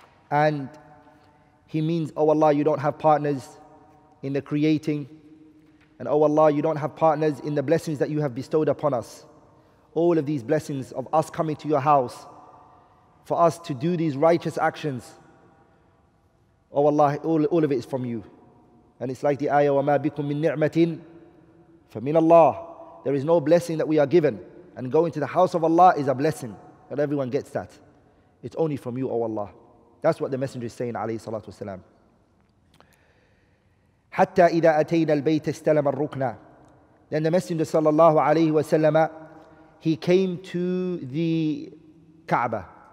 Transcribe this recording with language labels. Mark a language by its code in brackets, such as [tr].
[en] And he means, oh Allah, you don't have partners in the creating. And oh Allah, you don't have partners in the blessings that you have bestowed upon us. All of these blessings of us coming to your house, for us to do these righteous actions. Oh Allah, all of it is from you. And it's like the ayah, [ar] وَمَا بِكُم مِّن نِعْمَةٍ فَمِنَ اللَّهِ. [en] There is no blessing that we are given. And going to the house of Allah is a blessing. And everyone gets that. It's only from you, oh Allah. That's what the Messenger is saying, alayhi salatu wasalam. [ar] Hatta idha atayna al-bayt istalama al-rukna. [en] Then the Messenger sallallahu alayhi wasallam, he came to the Kaaba.